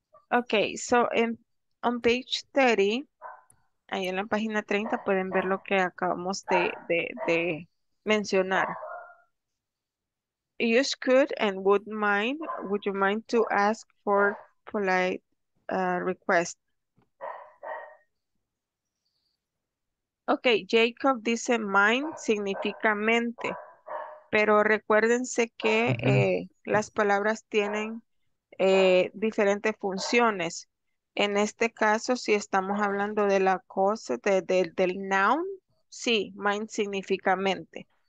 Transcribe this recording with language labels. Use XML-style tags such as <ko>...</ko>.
<es>Ok,</es> <en>so on page 30,</en> <es>ahí en la página 30 pueden ver lo que acabamos de mencionar.</es> <en>Use could and would mind, would you mind to ask for polite request?</en> <es>Okay, Jacob dice mind significa mente, pero recuérdense que las palabras tienen diferentes funciones. En este caso, si estamos hablando de la cosa, del noun, sí, mind significa mente.</es>